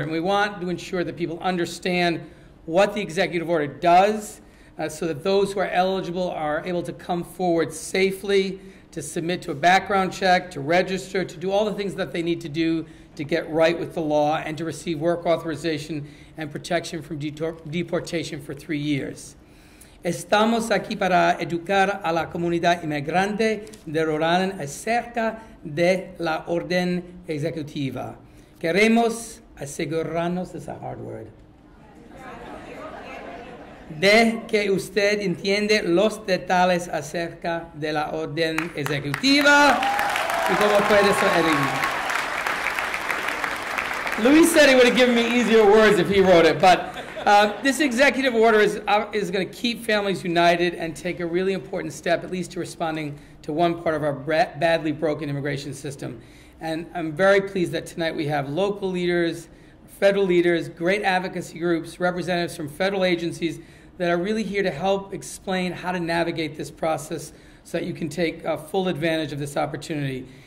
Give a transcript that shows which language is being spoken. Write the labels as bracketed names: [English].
[English] And we want to ensure that people understand what the executive order does so that those who are eligible are able to come forward safely, to submit to a background check, to register, to do all the things that they need to do to get right with the law and to receive work authorization and protection from deportation for 3 years. [Spanish] Estamos aquí para educar a la comunidad inmigrante de Rhode acerca de la orden ejecutiva. Queremos asegurarnos, es [English] a hard word, [Spanish] de que usted entiende los detalles acerca de la orden ejecutiva y cómo puede ser. [English] Luis said he would have given me easier words if he wrote it, but this executive order is going to keep families united and take a really important step, at least to responding to one part of our badly broken immigration system. And I'm very pleased that tonight we have local leaders, federal leaders, great advocacy groups, representatives from federal agencies that are really here to help explain how to navigate this process so that you can take full advantage of this opportunity.